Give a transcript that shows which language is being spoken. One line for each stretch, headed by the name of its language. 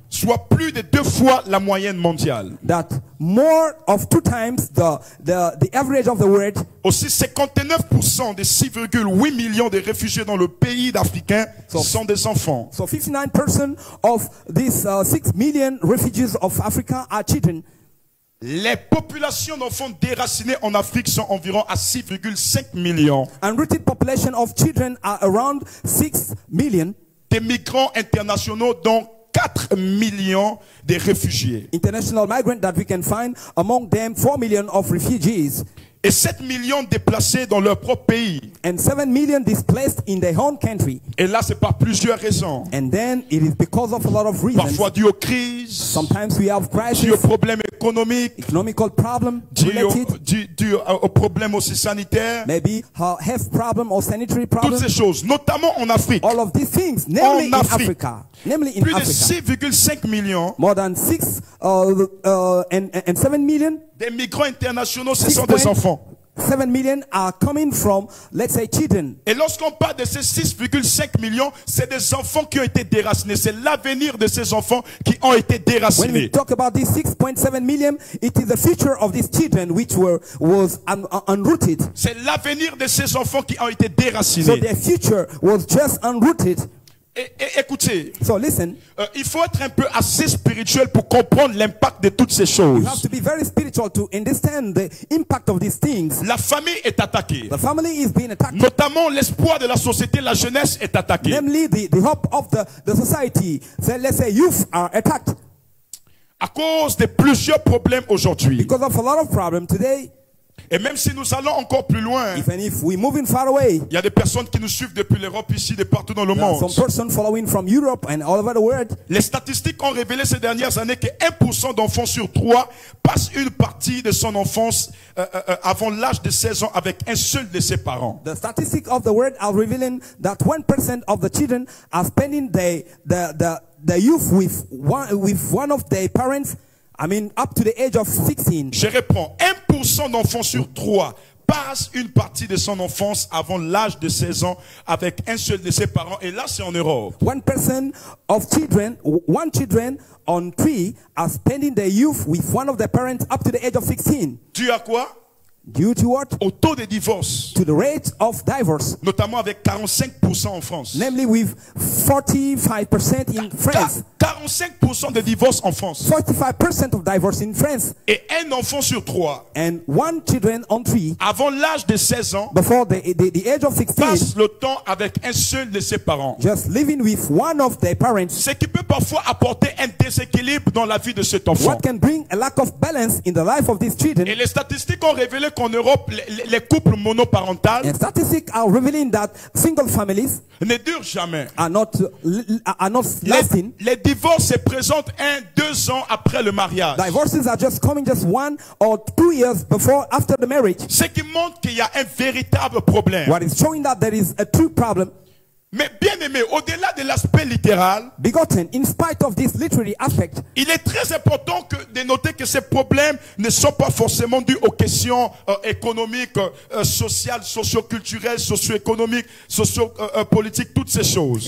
French: Soit plus de deux fois la moyenne mondiale.
English: That more of two times the average of the world.
French: Aussi 59% des 6,8 millions de réfugiés dans le pays d'Africains sont des enfants.
English: So 59% of these 6 million refugees of Africa are children.
French: Les populations d'enfants déracinés en Afrique sont environ à 6,5 millions.
English: Unrooted population of children are around 6 million.
French: des migrants internationaux dont 4 millions de réfugiés.
English: International migrants that we can find among them 4 million of refugees.
French: Et 7 millions déplacés dans leur propre pays.
English: And 7 million displaced in their own country.
French: Et là c'est par plusieurs raisons.
English: And then it is because of a lot of reasons.
French: Parfois dû aux crises.
English: Sometimes we have crises.
French: Dû aux problèmes économiques.
English: Economical problem.
French: Dû aux problèmes aussi sanitaires.
English: Maybe health problem or sanitary problem.
French: Toutes ces choses, notamment en Afrique.
English: All of these things, namely in Africa. Namely in
French: plus Africa. Plus de 6,5 millions.
English: More than 6 and 7 million.
French: Des migrants internationaux, ce sont des enfants.
English: 7 million are coming from, let's say, children.
French: Et lorsqu'on parle de ces 6,5 millions, c'est des enfants qui ont été déracinés. C'est l'avenir de ces enfants qui ont été déracinés.
English: When we talk about these 6.7 million, it is the future of these children which were was unrooted.
French: C'est l'avenir de ces enfants qui ont été déracinés.
English: So their future was just unrooted.
French: Et écoutez,
English: so listen,
French: il faut être un peu assez spirituel pour comprendre l'impact de toutes ces choses.
English: You have to be very spiritual to understand the impact of these things.
French: La famille est attaquée.
English: The family is being attacked.
French: Notamment l'espoir de la société, la jeunesse est attaquée.
English: Namely the hope of the society, so let's say youth are attacked.
French: À cause de plusieurs problèmes aujourd'hui.
English: Because of a lot of problems today.
French: Et même si nous allons encore plus loin, il y a des personnes qui nous suivent depuis l'Europe ici, de partout dans le monde.
English: Some person following from Europe and all over the world.
French: Les statistiques ont révélé ces dernières années que 1% d'enfants sur 3 passent une partie de son enfance avant l'âge de 16 ans avec un seul de ses parents.
English: The statistics of the world are revealing that 1% of the children are spending the youth with one of their parents. I mean, up to the age of 16.
French: Je reprends. 1% d'enfants sur 3 passe une partie de son enfance avant l'âge de 16 ans avec un seul de ses parents. Et là, c'est en Europe.
English: One person of children, one children on three are spending their youth with one of their parents up to the age of 16.
French: Dû à quoi?
English: Due to what?
French: Au taux de divorce.
English: To the rate of divorce.
French: Notamment avec 45% en France.
English: Namely with 45% in France.
French: 45% de divorce en France.
English: 45% of divorce in France.
French: Et un enfant sur trois.
English: And one children on three.
French: Avant l'âge de 16 ans.
English: Before the age of 16.
French: Passe le temps avec un seul de ses parents.
English: Just living with one of their parents.
French: Ce qui peut parfois apporter un déséquilibre dans la vie de cet enfant.
English: What can bring a lack of balance in the life of these children.
French: Et les statistiques ont révélé qu'en Europe, les couples monoparentales
English: and statistics are revealing that single families
French: ne durent jamais.
English: Are not lasting.
French: Les divorces se présentent 1-2 ans après le mariage.
English: Divorces are just coming just 1 or 2 years before after the marriage.
French: Ce qui montre qu'il y a un véritable problème.
English: What is showing that there is a true problem.
French: Mais bien aimé, au-delà de l'aspect littéral,
English: begotten, in spite of this literary aspect,
French: il est très important de noter que ces problèmes ne sont pas forcément dus aux questions économiques, sociales, socioculturelles, socio-économiques, socio-politiques, toutes ces choses.